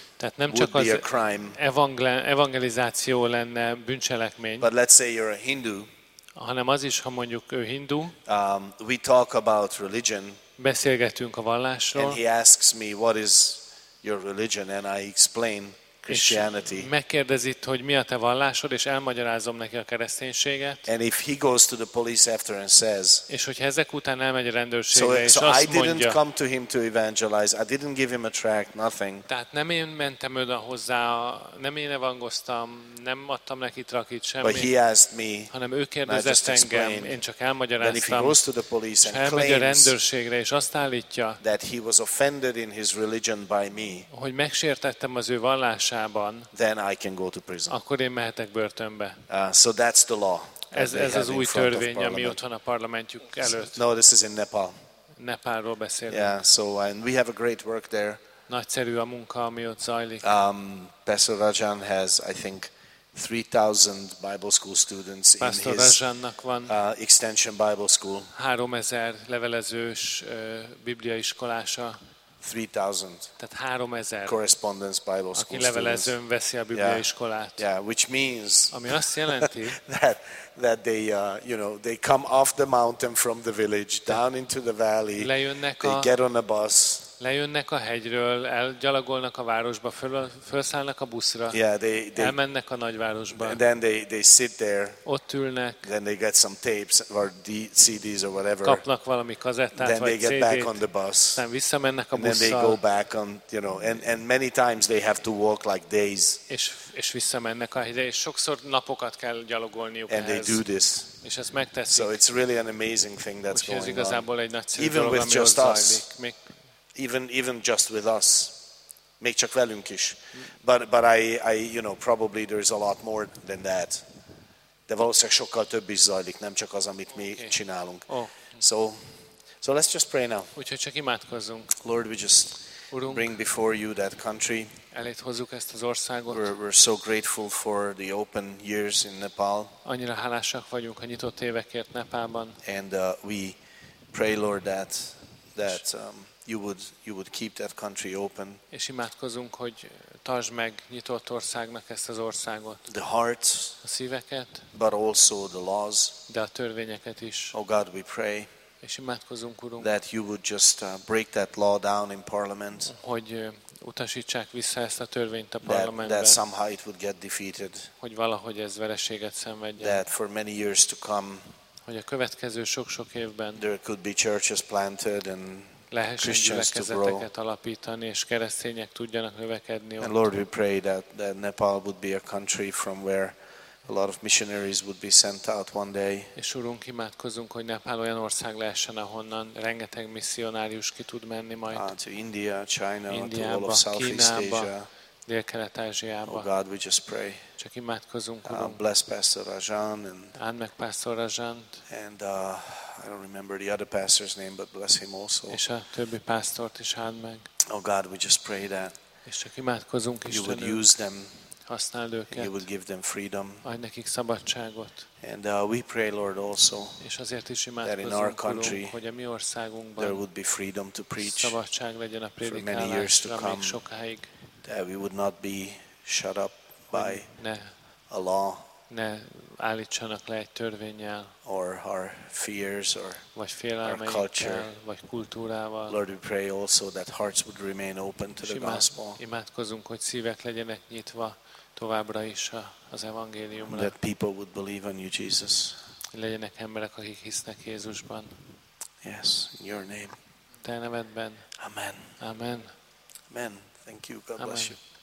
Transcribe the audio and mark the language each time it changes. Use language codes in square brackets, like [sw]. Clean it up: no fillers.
[hu] Tehát nem csak az evangelizáció lenne bűncselekmény. [en] But let's say you're a Hindu. [hu] Hanem az is, ha mondjuk ő hindu. [en] We talk about religion. [hu] Beszélgetünk a vallásról. [en] And he asks me what is your religion and I explain Christianity. [hu] Megkérdezi, hogy mi a te vallásod, és elmagyarázom neki a kereszténységet. [en] And if he goes to the police after and says. [hu] És hogyha ezek után elmegy a rendőrségre, és azt mondja. [en] So I didn't come to him to evangelize. I didn't give him a tract, nothing. [hu] Tehát nem én mentem oda hozzá, nem én evangoztam, nem adtam neki trakit, semmit. [en] But he asked me. [hu] Hanem ő kérdezett engem, én csak elmagyaráztam. [en] Then if he goes to the police and claims. [hu] Elmegy a rendőrségre, és azt állítja. [en] That he was offended in his religion by me. [hu] Hogy megsértettem az ő vallás. [en] Then I can go to prison. [hu] Akkor én mehetek börtönbe. [en] So that's the law. [hu] Ez az új törvény, ami ott van a parlamentjük előtt. [en] No, this is in Nepal. [hu] Nepálról beszélünk. [en] Yeah, so and we have a great work there. [hu] Nagyszerű a munka, ami ott zajlik. [en] Pastor Rajan has, I think, 3,000 Bible school students in his extension Bible school. [hu] 3,000 levelezős bibliaiskolása. [en] 3,000. [hu] Tehát 3,000. [en] Correspondence Bible school. [hu] Aki levelezőn veszi a Biblia iskolát. [en] Yeah, which means. [hu] Ami azt jelenti. [en] that they, you know, they come off the mountain from the village down into the valley. [hu] Lejönnek [en] they get on a bus. [hu] Lejönnek a hegyről, elgyalogolnak a városba, felszállnak a buszra. [en] Yeah, they [hu] elmennek a nagyvárosba. [en] And then they sit there. [hu] Ott ülnek. [en] Then they get some tapes or CDs or whatever. [hu] Kapnak valami kazettát vagy CD-t. [en] Then they get back on the bus. [hu] Aztán visszamennek a busszal. [en] Then they go back on, you know, and many times they have to walk like days. [hu] És visszamennek a hegyre, és sokszor napokat kell gyalogolniuk ehhez. [en] And they do this. [hu] És ezt megteszik. [en] So it's really an amazing thing that's going on. [hu] Ez igazából egy nagyszerű dolog, ami ott zajlik. [en] Even just with us, [hu] még csak velünk is. [en] But I you know, probably there is a lot more than that. [hu] De valószínűleg sokkal több is zajlik, nem csak az, amit mi csinálunk. [en] So let's just pray now. [hu] Úgyhogy csak imádkozzunk. [en] Lord, we just [hu] Urunk, [en] bring before you that country. [hu] Eléd hozzuk ezt az országot. [en] We're so grateful for the open years in Nepal. [hu] Annyira hálásak vagyunk a nyitott évekért Nepálban. [en] And we pray, Lord, that you would keep that country open. [hu] És imádkozunk, hogy tartsd meg nyitott országnak ezt az országot. [en] The hearts, [hu] a szíveket, [en] but also the laws, [hu] de a törvényeket is. [en] Oh God, we pray. [hu] És imádkozunk, Urunk, [en] that you would just break that law down in parliament, [hu] hogy utasítsák vissza ezt a törvényt a parlamentben, [en] that somehow it would get defeated, [hu] hogy valahogy ez vereséget szenvedjen, [en] that for many years to come, [hu] hogy a következő sok-sok évben [en] there could be churches planted and Christians to grow, [hu] alapítani és keresztények tudjanak növekedni. [en] And Lord, we pray that Nepal would be a country from where a lot of missionaries would be sent out one day. [hu] És Urunk, imádkozunk, hogy Nepál olyan ország lehessen, ahonnan rengeteg misszionárius ki tud menni majd. [en] To India, China, [hu] Indiába, [en] to all of Southeast [hu] Kínába, [en] Asia. [hu] Dél-Kelet-Ázsiába. [en] Oh God, we just pray. [hu] Csak imádkozunk, Urunk. [en] Bless Pastor Rajan and [hu] áld meg Pastor Rajant. [en] And I don't remember the other pastor's name, but bless him also. [hu] És a többi pásztort is áld meg. [en] Oh God, we just pray that. [hu] És csak imádkozunk, Istenünk. [en] You would use them. [hu] Használd őket. [en] You would give them freedom. [hu] Adj nekik szabadságot. [en] And we pray, Lord, also, [hu] és azért is imádkozunk, Urunk, hogy a mi országunkban [en] there would be freedom to preach, [hu] szabadság legyen a prédikálásra még sokáig. [en] That we would not be shut up by a law. [hu] Ne állítsanak le egy törvénnyel. [en] Or our fears, or [hu] vagy félelmeinkkel, vagy kultúrával. [en] Lord, we pray also that hearts would remain open to the gospel. [hu] Imádkozunk, hogy szívek legyenek nyitva továbbra is az evangéliumra. [en] That people would believe on you, Jesus. [hu] Legyenek emberek, akik hisznek Jézusban. [en] Yes, in your name. [hu] Te nevedben. [en] Amen. [hu] Amen. [en] Amen. Thank you. God bless you.